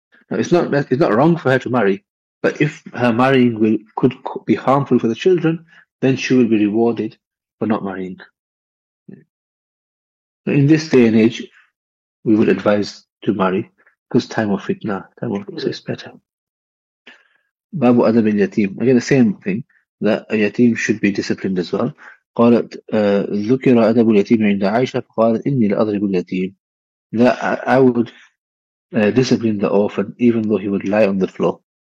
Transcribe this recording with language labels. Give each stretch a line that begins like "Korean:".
English: Now, it's not wrong for her to marry, but if her marrying could be harmful for the children, then she will be rewarded for not marrying. In this day and age, we would advise to marry, because time of fitna, time of fitna is better.
Arabic: Babu adab al yatim.
English: Again, the same thing, that a yatim should be disciplined as well.
Arabic: قالت ذكر أدب اليتيم عند عائشة فقالت إني لأضرب اليتيم.
English: That I would discipline the orphan even though he would lie on the floor.